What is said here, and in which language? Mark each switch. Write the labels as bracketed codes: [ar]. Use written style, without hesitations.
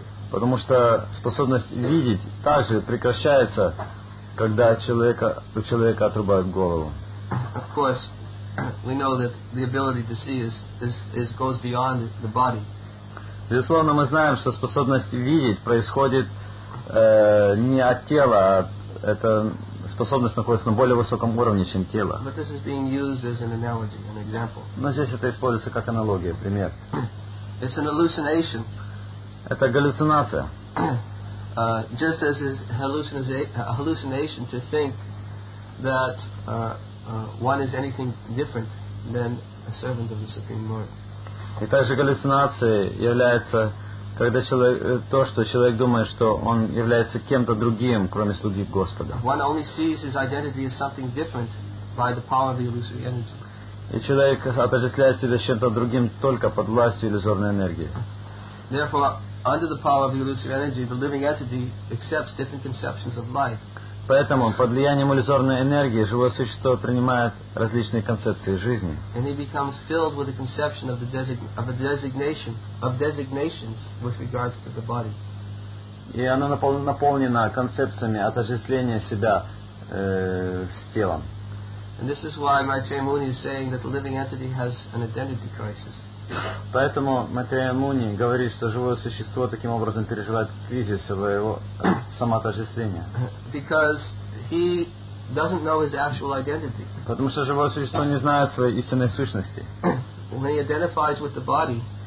[ru] Потому что способность видеть также прекращается, когда у человека отрубают голову. [en] Of course, we know that the ability to see is goes beyond the body. [ru] Безусловно, мы знаем, что способность видеть происходит не от тела, а эта способность находится на более высоком уровне, чем тело. [en] But this is being used as an analogy, an example. [ru] Но здесь это используется как аналогия, пример. [en] It's an hallucination. [ru] Это галлюцинация. [en] Just as is hallucination to think that one is anything different than a servant of the Supreme Lord. [ru] И также галлюцинацией является, когда человек думает, что он является кем-то другим, кроме слуги Господа. [en] One only sees his identity as something different by the power of the illusory energy. [ru] И человек отождествляет себя с чем-то другим только под властью иллюзорной энергии. [en] Therefore, under the power of the illusory energy, the living entity accepts different conceptions of life. [ru] Поэтому под влиянием иллюзорной энергии живое существо принимает различные концепции жизни. [en] And he becomes filled with the conception of designations with regards to the body. [ru] И оно наполнено концепциями отождествления себя с телом. [en] And this is why Maitreya Muni is saying that the living entity has an identity crisis. [ru] Поэтому Матрея Муни говорит, что живое существо таким образом переживает кризис своего самоотождествления. [en] Because he doesn't know his actual identity. [ru] Потому что живое существо не знает своей истинной сущности. [en] When he identifies with the body,